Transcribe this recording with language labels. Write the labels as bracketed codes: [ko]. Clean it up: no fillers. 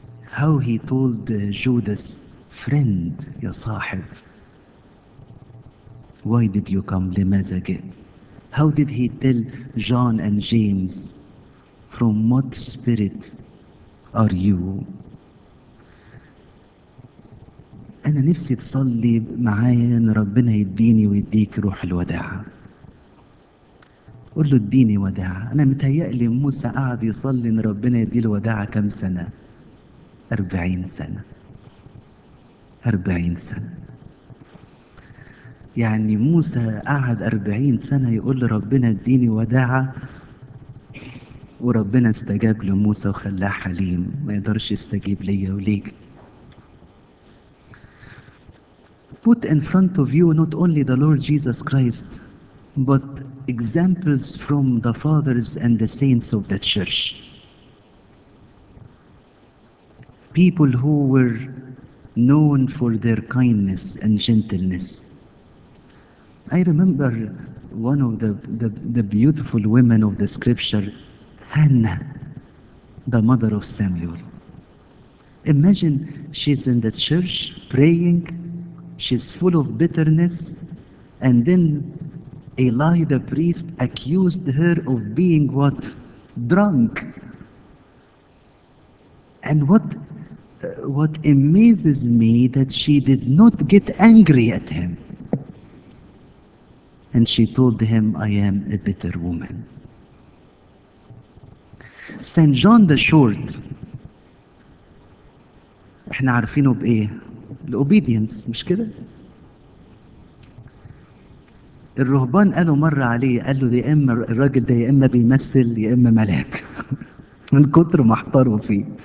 [en] How he told Judas, friend, [ar] يا صاحب, [en] why did you come? [ar] لماذا جئت? [en] How did he tell John and James, from what spirit are you? [ar] أنا نفسي تصلي معايا إن ربنا يديني ويديك روح الوداعة. قول له اديني وداعة. أنا متهيألي موسى قعد يصلي إن ربنا يديه الوداعة كم سنة؟ 40 سنة. 40 سنة. يعني موسى قعد 40 سنة يقول لربنا اديني وداعة، وربنا استجاب لموسى وخلاه حليم، ما يقدرش يستجيب ليا وليك. [en] Put in front of you not only the Lord Jesus Christ, but examples from the fathers and the saints of the church. People who were known for their kindness and gentleness. I remember one of the beautiful women of the scripture, Hannah, the mother of Samuel. Imagine she's in the church praying, she's full of bitterness, and then Eli the priest accused her of being what? Drunk. And what amazes me that she did not get angry at him. And she told him, I am a bitter woman. [ar] Saint John the Short, احنا عارفينه بايه؟ الاوبيدينس، مش كده؟ الرهبان قالوا مرة عليه، قالوا ده يا اما الراجل ده يا اما بيمثل يا اما ملاك، من كتر ما احتاروا فيه.